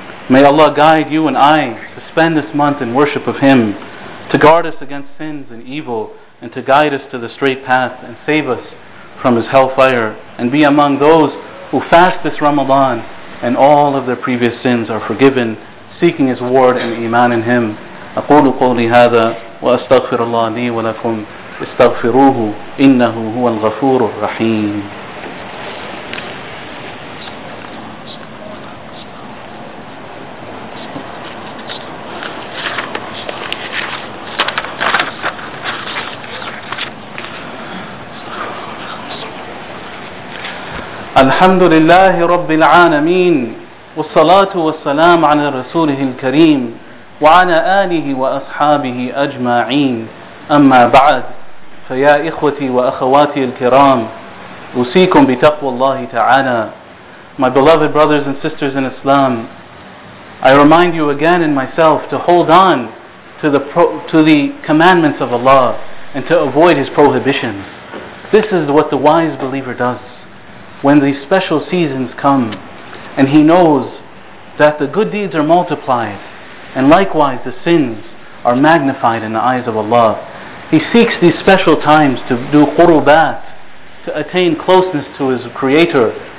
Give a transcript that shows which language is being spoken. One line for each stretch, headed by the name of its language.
English: May Allah guide you and I to spend this month in worship of Him, to guard us against sins and evil, and to guide us to the straight path and save us from His hellfire, and be among those who fast this Ramadan and all of their previous sins are forgiven, seeking His ward and iman in Him.
Arabic: أقول قولي هذا وأستغفر الله لي ولكم استغفروه إنه هو الغفور الرحيم. الحمد لله رب العالمين والصلاة والسلام على رسوله الكريم وعلى آله وأصحابه أجمعين. أما بعد, فيا إخوتي وأخواتي الكرام, أوصيكم بتقوى الله تعالى.
English: My beloved brothers and sisters in Islam, I remind you again and myself to hold on to the commandments of Allah and to avoid His prohibitions. This is what the wise believer does. When these special seasons come and he knows that the good deeds are multiplied and likewise the sins are magnified in the eyes of Allah, he seeks these special times to do qurubat, to attain closeness to his Creator.